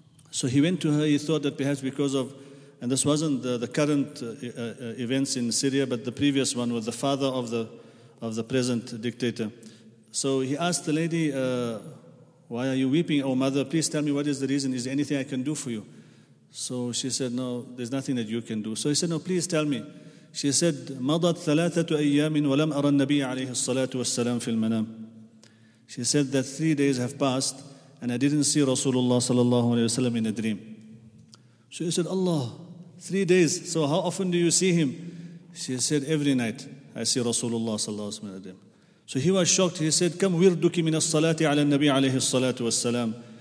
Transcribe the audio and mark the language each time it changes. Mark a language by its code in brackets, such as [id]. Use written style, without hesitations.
[en] So he went to her, he thought that perhaps because of, and this wasn't the current events in Syria, but the previous one with the father of the present dictator. So he asked the lady, why are you weeping, O mother? Please tell me what is the reason. Is there anything I can do for you? So she said, no, there's nothing that you can do. So he said, no, please tell me. She said, [ar] مَضَتْ ثَلَاثَةُ أَيَّامٍ وَلَمْ أَرَى النَّبِيَ عَلَيْهِ الصَّلَاةُ وَالسَّلَامُ فِي الْمَنَامِ. [en] She said that 3 days have passed and I didn't see Rasulullah sallallahu alayhi wa sallam in a dream. So he said, Allah, 3 days, so how often do you see him? She said, every night I see Rasulullah sallallahu alayhi wa sallam in a dream. So he was shocked. He said, [ar] Kam wirduki min as-salati ala nabi alayhi salatu wa salam.